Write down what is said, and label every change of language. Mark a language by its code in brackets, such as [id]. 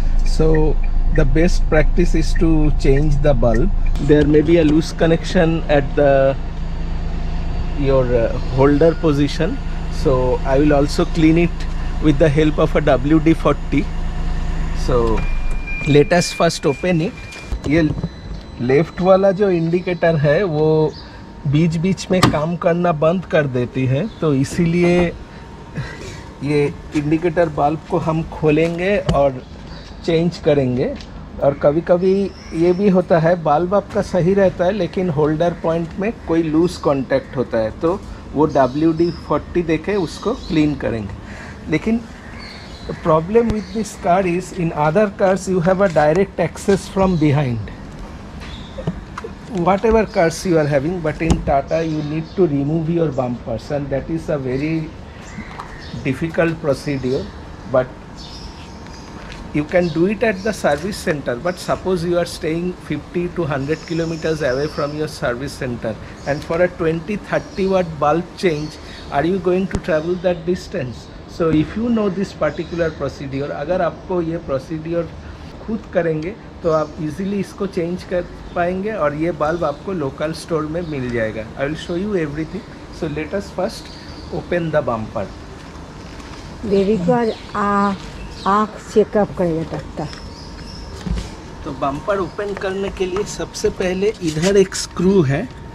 [en] So the best practice is to change the bulb. There may be a loose connection at your holder position. So I will also clean it with the help of a WD-40. So let us first open it. [hi] ये left वाला जो indicator है वो बीच बीच में काम करना बंद कर देती है, तो इसीलिए ये indicator bulb को हम खोलेंगे और change करेंगे. और कभी कभी ये भी होता है, bulb आपका सही रहता है लेकिन holder point में कोई loose contact होता है, तो वो WD-40 देके उसको clean करेंगे. [en] लेकिन the problem with this car is, in other cars you have a direct access from behind, whatever cars you are having, but in Tata you need to remove your bumpers, and that is a very difficult procedure. But you can do it at the service center, but suppose you are staying 50 to 100 kilometers away from your service center, and for a 20-30 watt bulb change, are you going to travel that distance? So if you know this particular procedure, [hi] अगर आपको ये procedure खुद करेंगे तो आप easily इसको change कर पाएंगे और ये bulb आपको local store में मिल जाएगा. [en] I will show you everything. So let us first open the bumper. Very good. [hi] आँख checkup करेगा डॉक्टर. तो bumper open करने के लिए सबसे पहले इधर एक screw है.